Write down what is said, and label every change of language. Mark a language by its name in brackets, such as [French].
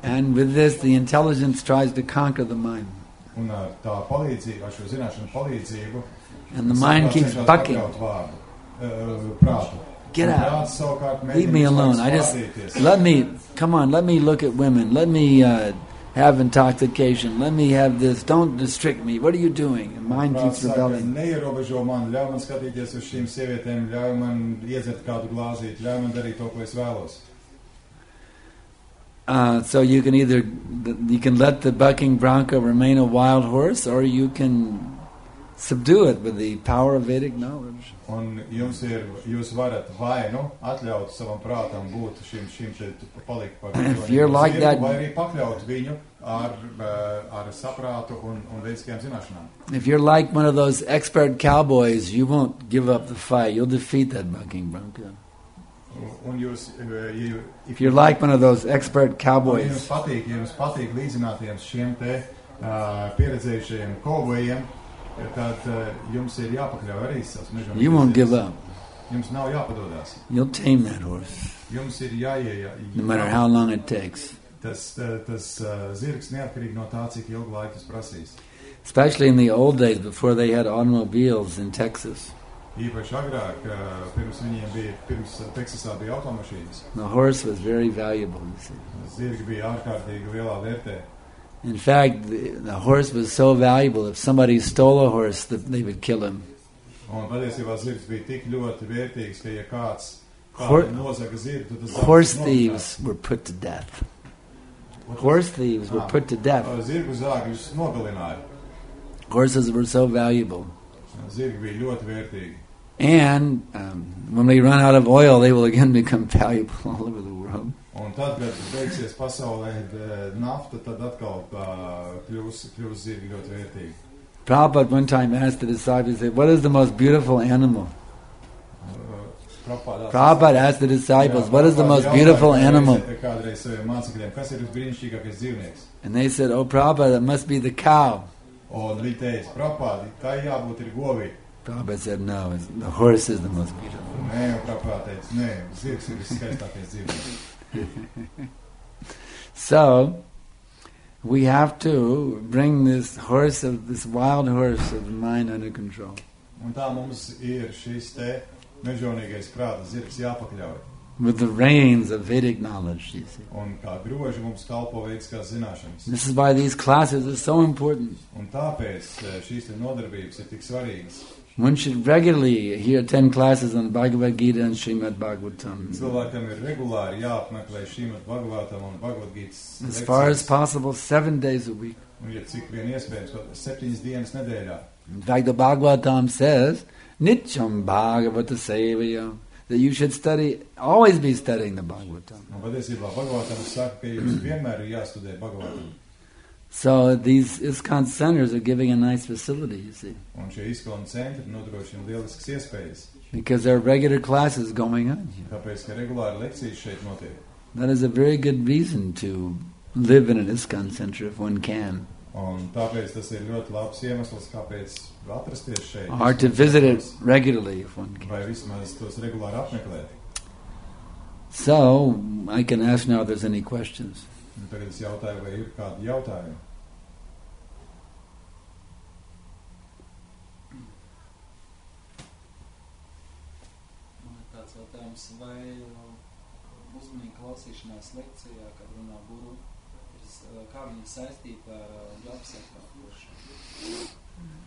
[English] And with this, the intelligence tries to conquer the mind. [Latvian] Un tā palīdzība, ar šo zināšanu palīdzību, [English] and the mind keeps bucking. [Latvian] Prātu. [English] Get out. [Latvian] Prāts, savukārt, [English] leave me alone. Let me look at women. Let me have intoxication. Let me have this. Don't restrict me. What are you doing? And mind [Latvian] prāts, [English] keeps rebelling. [Latvian] Neierobežo man. Ļauj man skatīties uz šīm sievietēm. Ļauj man iedzert kādu glāzīt. Ļauj man darīt to, ko es vēlos. [English] So you can let the bucking bronco remain a wild horse, or you can subdue it with the power of Vedic knowledge. [Latvian] Un jums ir, jūs varat vai, nu, atļaut savam prātam būt šim te palikt par viņu. [English] If you're like that, [Latvian] vai arī pakļaut viņu ar saprātu un vediskajām zināšanām. [English] If you're like one of those expert cowboys, you won't give up the fight. You'll defeat that bucking bronco. If you're like one of those expert cowboys, [Latvian] jums patīk līdzināties šiem te pieredzējušajiem kovojiem, tad jums ir jāpakļauj arī savas mežonīgās. [English] You won't give up. [Latvian] Jums nav jāpadodās. [English] You'll tame that horse. [Latvian] Jums ir jāieja. [English] No matter how long it takes. [Latvian] Tas zirgs neatkarīgi no tā, cik ilgu laiku tas prasīs. [English] Especially in the old days before they had automobiles in Texas. [Latvian] Īpaši agrāk, pirms Teksasā bija automašīnas. [English] The horse was very valuable, you see. [Latvian] Zirgi bija ārkārtīgi lielā vērtē. [English] In fact, the horse was so valuable, if somebody stole a horse, they would kill him. [Latvian] Un patiesībā zirgs bija tik ļoti vērtīgs, ka ja kāds nozaga zirgi, tad tas [English] horse thieves were put to death. Horse thieves were put to death. [Latvian] Zirgu zāgļus nogalināja. [English] Horses were so valuable. [Latvian] Zirgi bija ļoti vērtīgi. [English] And when they run out of oil, they will again become valuable all over the world. [Latvian] Un tad, kad beigsies pasaulē nafta, tad atkal kļūs zirgi ļoti vērtīgi. [English] Prabhupada one time asked the disciples, what is the most beautiful animal? Prabhupada asked the disciples, what is the most beautiful animal? [Latvian] Kas ir visbrīnišķīgākais dzīvnieks? [English] And they said, oh, Prabhupada, it must be the cow. [Latvian] Un viņi teica, Prabhupāda, tā jābūt ir govī. [English] Prabhupāda said, no, the horse is the most beautiful. [Latvian] Nē, Prabhupāda teica, nē, zirgs ir skaistākais dzīvnieks. [English] So, we have to bring this wild horse of the mind under control. [Latvian] Un tā mums ir šis te mežonīgais prāta zirgs jāpakļauj. [English] With the reins of Vedic knowledge, you see. [Latvian] Un kā groži mums kalpo vediskās zināšanas. [English] This is why these classes are so important. [Latvian] Un tāpēc šīs te nodarbības ir tik svarīgas. [English] One should regularly hear 10 classes on Bhagavad Gita and Srimad Bhagavatam. [Latvian] Cilvēkam ir regulāri jāapmeklē Srimad Bhagavatam un Bhagavad Gita. [English] As far as possible, 7 days a week. [Latvian] Un ja cik vien iespējams, 7 dienas nedēļā. [English] In fact, the Bhagavatam says, Nityam Bhagavata Sevayam. that you should study, always be studying the Bhagavatam. So these ISKCON centers are giving a nice facility, you see. [Latvian] Un šie ISKCON centri nodrošina lieliskas iespējas. [English] Because there are regular classes going on here. [Latvian] Tāpēc, ka regulāri lekcijas šeit notiek. [English] That is a very good reason to live in an ISKCON center if one can. [Latvian] Un tāpēc tas ir ļoti labs iemesls, kāpēc atrasties šeit. [English] Or to visit it regularly if one can. [Latvian] Vai vismaz tos regulāri apmeklēt. [English] So, I can ask now if there's any questions. [Latvian] Tagad es jautāju, vai ir kādi jautājumi? Man ir tāds jautājums, vai uzmanīgi klausīšanās lekcijā, kad runā guru, kā viņa saistīta ar japsakārtošanu?